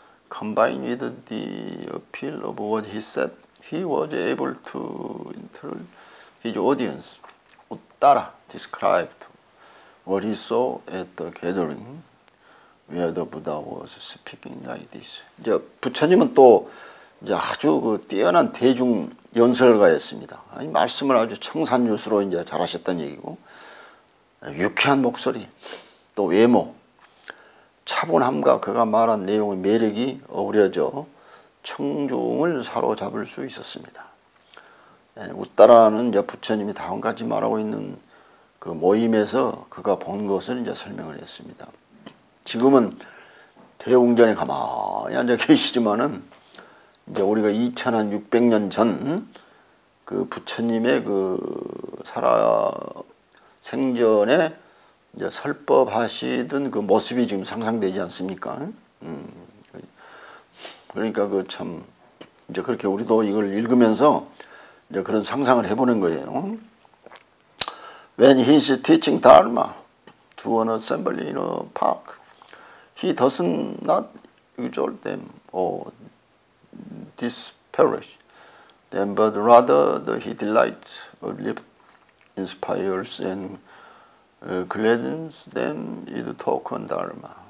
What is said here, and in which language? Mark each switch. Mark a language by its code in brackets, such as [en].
[en] Combined with the appeal of what he said, he was able to interest his audience. Uttara described what he saw at the gathering where the Buddha was speaking like this. [ko] 이제 부처님은 또 이제 아주 그 뛰어난 대중 연설가였습니다. 아니, 말씀을 아주 청산유수로 이제 잘하셨던 얘기고, 유쾌한 목소리. 또 외모, 차분함과 그가 말한 내용의 매력이 어우러져 청중을 사로잡을 수 있었습니다. 우따라는 이제 부처님이 다음까지 말하고 있는 그 모임에서 그가 본 것을 이제 설명을 했습니다. 지금은 대웅전에 가만히 앉아 계시지만은 이제 우리가 2600년 전 그 부처님의 그 살아 생전에 이제 설법하시던 그 모습이 지금 상상되지 않습니까? 그러니까 그참 이제 그렇게 우리도 이걸 읽으면서 이제 그런 상상을 해보는 거예요. [en] When he is teaching Dharma to an assembly in a park, he does not exalt them or disparage them, but rather that he delights, uplifts, inspires, and gladdens them with talk on Dharma.